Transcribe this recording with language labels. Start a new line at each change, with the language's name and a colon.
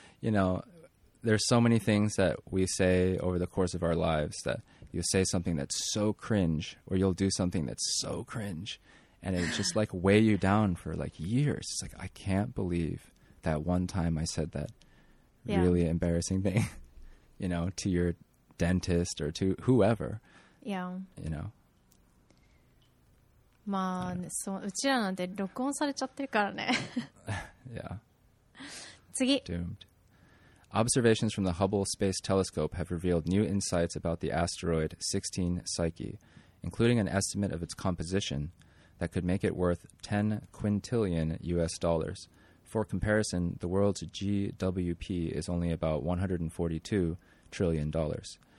English: You know, there's so many things that we say over the course of our lives that you say something that's so cringe or you'll do something that's so cringe and it just like weigh you down for like years. It's like, I can't believe that one time I said that really embarrassing thing, you know, to your dentist or to whoever. Yeah. You know.
Japanese: まあ、そう、うちらなんて録音されちゃってるからね。
English: Yeah.
Japanese: 次。
English: Doomed. Observations from the Hubble Space Telescope have revealed new insights about the asteroid 16 Psyche, including an estimate of its composition that could make it worth 10 quintillion U.S. dollars. For comparison, the world's GWP is only about 142 trillion dollars.